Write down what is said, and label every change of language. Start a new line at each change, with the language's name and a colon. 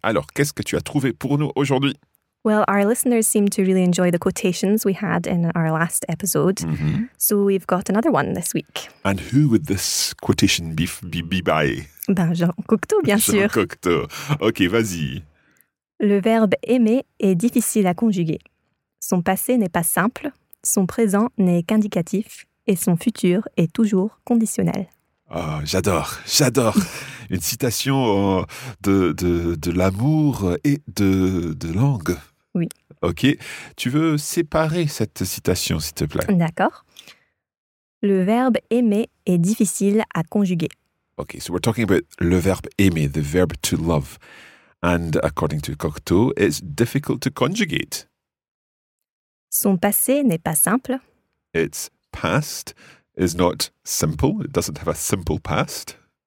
French: Alors, qu'est-ce que tu as trouvé pour nous aujourd'hui?
English: Well, our listeners seem to really enjoy the quotations we had in our last episode. Mm-hmm. So we've got another one this week. And who would this quotation be by?
French: Ben, Jean Cocteau, bien sûr. Jean Cocteau. OK, vas-y. Le verbe aimer est difficile à conjuguer. Son passé n'est pas simple, son présent n'est qu'indicatif et son futur est toujours conditionnel. Oh, j'adore, j'adore. Une citation de l'amour et de langue. Oui. OK. Tu veux séparer cette citation, s'il te plaît? D'accord. Le verbe aimer est difficile à conjuguer.
English: OK, so we're talking about
French: le verbe aimer,
English: the verb to love. And according to Cocteau, it's difficult to conjugate.
French: Son passé n'est pas simple.
English: Its past is not simple. It doesn't have a simple past.